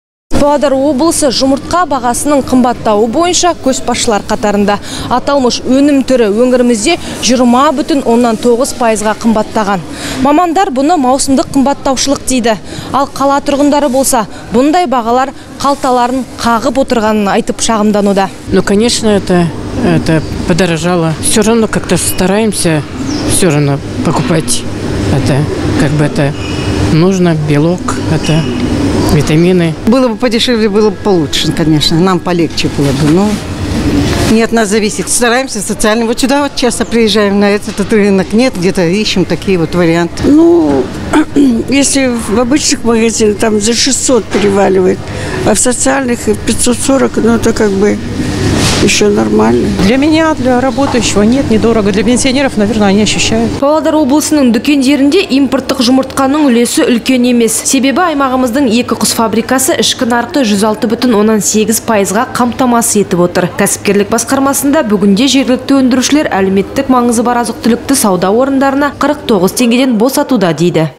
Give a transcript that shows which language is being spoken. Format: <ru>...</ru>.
<kk>Павлодар облысы жұмыртқа бағасының қымбаттауы бойынша көшбасшылар қатарында. Аталмыш өнім түрі өңірімізде 20,9%-ға қымбаттаған. Мамандар бұны маусымдық қымбаттаушылық дейді. Ал қала тұрғындары болса, бұндай бағалар қалталарын қағып отырғанын айтып шағымдануда.</kk> <ru>Ну, конечно, это подорожало. Все равно как-то стараемся все равно покупать. Это как бы это нужно, белок, это витамины. Было бы подешевле, было бы получше, конечно. Нам полегче было бы, но Не от нас зависит. Стараемся социально. Вот сюда вот часто приезжаем на этот рынок. Нет, где-то ищем такие вот варианты. Ну, если в обычных магазинах там за 600 переваливает, а в социальных 540, ну, это как бы еще нормально. Для меня, для работающего, нет, недорого. Для пенсионеров, наверное, они ощущают.</ru> <kk>Павлодар облысының дүкендерінде импорттық жұмыртқаның үлесі үлкен емес. Себебі аймағымыздың екі құс фабрикасы ішкі нарықты 106.8%-ға қамтамасыз етіп отыр. Кәсіпкерлік басқармасында бүгінде жергілікті өндірушілер әлеуметтік маңызы бар азық-түлікті сауда орындарына 49 теңгеден босатуда дейді.</kk>